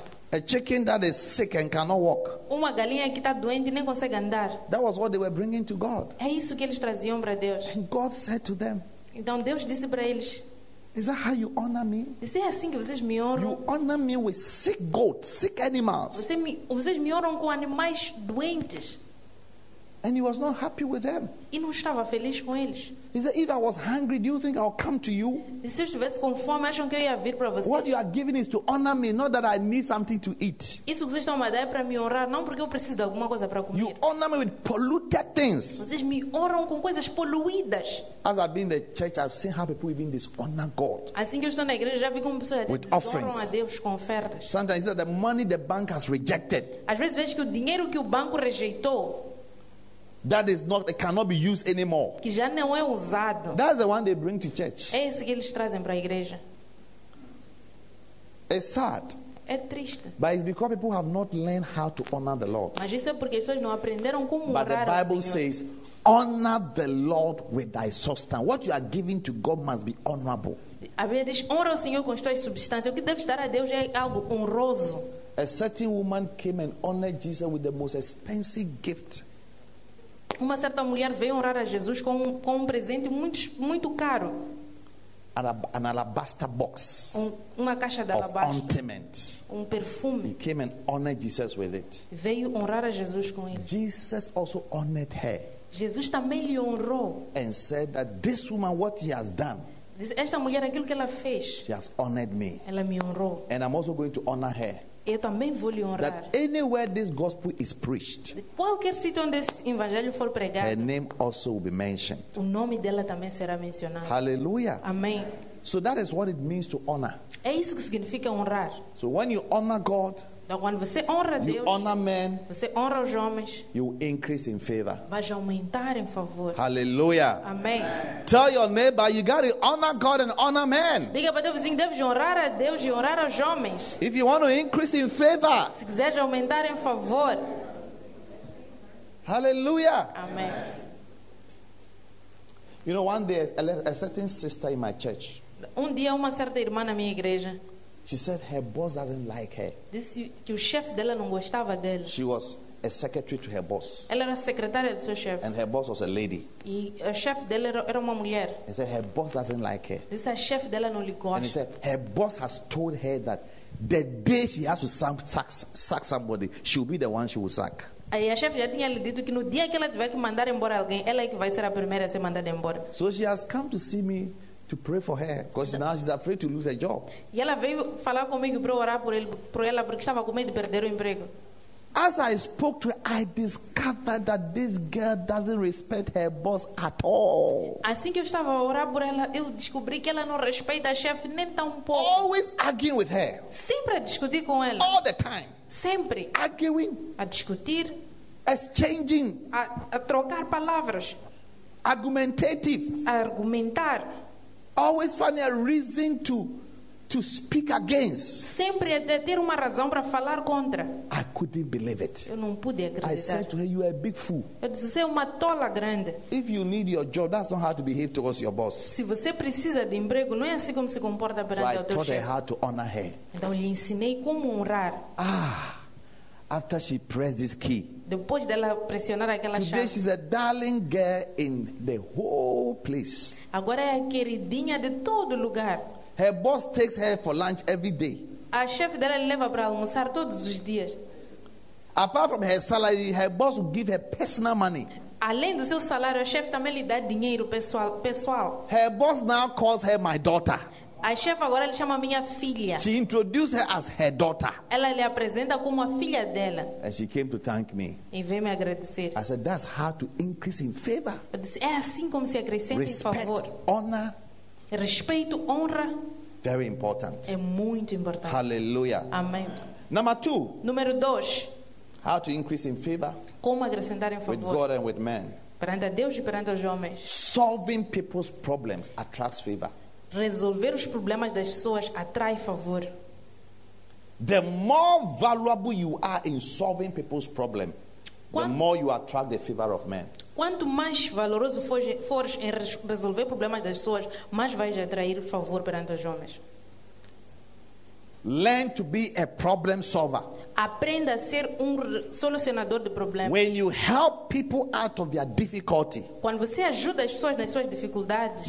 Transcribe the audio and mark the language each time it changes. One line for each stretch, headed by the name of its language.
English: A chicken that is sick and cannot walk.
Portuguese: Uma galinha que está doente e nem consegue andar.
English: That was what they were bringing to God.
Portuguese: É isso que eles traziam para Deus.
English: And God said to them.
Portuguese: Então Deus disse para eles.
English: Is that how you honor me?
Portuguese: Disse, é assim que vocês me honram.
English: You honor me with sick goats, sick animals.
Portuguese: Vocês me honram com animais doentes.
English: And he was not happy with them.
Portuguese: E não estava feliz com eles.
English: He said, "If I was hungry, do you think I'll come to you?"
Portuguese: E se eu estivesse com fome, acham que eu ia vir para vocês?
English: What you are giving is to honor me, not that I need something to eat.
Portuguese: Isso que vocês estão a dar é para me honrar, não porque eu preciso de alguma coisa para comer.
English: You honor me with polluted things.
Portuguese: Vocês me honram com coisas poluídas.
English: As I've been in the church, I've seen how people even dishonor God.
Portuguese: Assim que eu estou na igreja, já vi como pessoas desonram a Deus com ofertas.
English: Sometimes it's the money the bank has rejected.
Portuguese: Às vezes vejo que o dinheiro que o banco rejeitou.
English: That is not, it cannot be used anymore.
Portuguese: Que já não é usado.
English: That's the one they bring to church.
Portuguese: É esse que eles trazem para a igreja.
English: It's sad.
Portuguese: É triste.
English: But it's because people have not learned how to honor the Lord.
Portuguese: Mas isso é porque as pessoas não aprenderam como honrar ao Senhor.
English: But the Bible says, honor the Lord with thy substance. What you are giving to God must be honorable.
Portuguese: A Bíblia diz, honra o Senhor com as tuas substâncias. O que deve dar a Deus é algo honroso.
English: A certain woman came and honored Jesus with the most expensive gift.
Portuguese: Uma certa mulher veio honrar a Jesus com um presente muito, muito caro.
English: An alabaster box.
Portuguese: Uma caixa de alabastro.
English: Of ointment.
Portuguese: Um perfume.
English: He came and honored Jesus with it.
Portuguese: Veio honrar a Jesus com ele.
English: Jesus also honored her.
Portuguese: Jesus também lhe honrou.
English: And said that this woman, what he has done.
Portuguese: Esta mulher, aquilo que ela fez.
English: She has honored me.
Portuguese: Ela me honrou.
English: And I'm also going to honor her.
Portuguese: Eu também vou lhe honrar.
English: That anywhere this gospel is preached,
Portuguese: qualquer sítio onde esse evangelho for pregado,
English: her name also will be mentioned.
Portuguese: O nome dela também será mencionado.
English: Hallelujah.
Portuguese: Amém.
English: So that is what it means to honor.
Portuguese: É isso que significa honrar.
English: So when you honor God,
Portuguese: então, quando você honra
English: you
Portuguese: Deus,
English: honor men,
Portuguese: você honra os homens,
English: you increase in favor.
Portuguese: Vai aumentar em favor.
English: Hallelujah.
Portuguese: Amém.
English: Tell your neighbor, you got to honor God and honor men.
Portuguese: Diga para teu vizinho, deve honrar a Deus e honrar aos homens.
English: If you want to increase in favor,
Portuguese: se quiser aumentar em favor.
English: Hallelujah.
Portuguese: Amém.
English: You know, one day a certain sister in my church.
Portuguese: Um dia uma certa irmã na minha igreja.
English: She said her boss doesn't like her.
Portuguese: Disse que o chefe dela não gostava dela.
English: She was a secretary to her boss.
Portuguese: Ela era secretária do seu chefe.
English: And her boss was a lady.
Portuguese: E o chefe dela era uma mulher.
English: He said her boss doesn't like her.
Portuguese: Disse a chefe dela não lhe gosta.
English: And he said her boss has told her that the day she has to sack somebody, she'll be the one she will sack.
Portuguese: Aí a chefe já tinha lhe dito que no dia que ela tiver que mandar embora alguém, ela é que vai ser a primeira a ser mandada embora.
English: So she has come to see me. To pray for her, because now she's afraid to lose her job.
Portuguese: E ela veio falar comigo para orar por ela, porque estava com medo de perder o emprego.
English: As I spoke to her, I discovered that this girl doesn't respect her boss at all.
Portuguese: Assim que eu estava a orar por ela, eu descobri que ela não respeita a chefe nem tão pouco.
English: Always arguing with her.
Portuguese: Sempre a discutir com ela.
English: All the time.
Portuguese: Sempre.
English: Arguing.
Portuguese: A discutir.
English: Exchanging.
Portuguese: A trocar palavras.
English: Argumentative.
Portuguese: A argumentar.
English: Always finding a reason to speak against.
Portuguese: Sempre a ter uma razão para falar contra.
English: I couldn't believe it.
Portuguese: Eu não pude acreditar.
English: I said to her, "You are a big fool."
Portuguese: Eu disse, você é uma tola grande.
English: If you need your job, that's not how to behave towards your boss.
Portuguese: Se você precisa de emprego, não é assim como se comporta perante
English: so
Portuguese: o teu chefe.
English: So I taught her how to honor her.
Portuguese: Então lhe ensinei como honrar.
English: Ah, after she pressed this key.
Portuguese: Depois dela pressionar aquela
English: today She's a darling girl in the whole place.
Portuguese: Agora é a queridinha de todo lugar.
English: Her boss takes her for lunch every day.
Portuguese: A chefe dela leva para almoçar todos os dias.
English: Apart from her salary, her boss will give her personal money.
Portuguese: Além do seu salário, a chefe também lhe dá dinheiro pessoal.
English: Her boss now calls her my daughter.
Portuguese: A chefe agora lhe chama minha filha.
English: She introduces her as her daughter.
Portuguese: Ela lhe apresenta como a filha dela.
English: And she came to thank me.
Portuguese: E veio me agradecer.
English: I said, that's how to increase in favor.
Portuguese: Eu disse, é assim como se acrescenta
English: respect,
Portuguese: em favor.
English: Honor.
Portuguese: Respeito, honra.
English: Very important.
Portuguese: É muito importante.
English: Hallelujah.
Portuguese: Amém.
English: Number two.
Portuguese: Número dois.
English: How to increase in favor.
Portuguese: Como acrescentar em favor.
English: With God and with men.
Portuguese: Perante a Deus e perante os homens.
English: Solving people's problems attracts favor.
Portuguese: Resolver os problemas das pessoas atrai favor.
English: The more valuable you are in solving people's problem, the more you attract the favor of men.
Portuguese: Quanto mais valoroso fores em resolver problemas das pessoas, mais vais atrair favor perante os homens.
English: Learn to be a problem solver.
Portuguese: Aprenda a ser solucionador de problemas.
English: When you help people out of their difficulty,
Portuguese: quando você ajuda as pessoas nas suas dificuldades,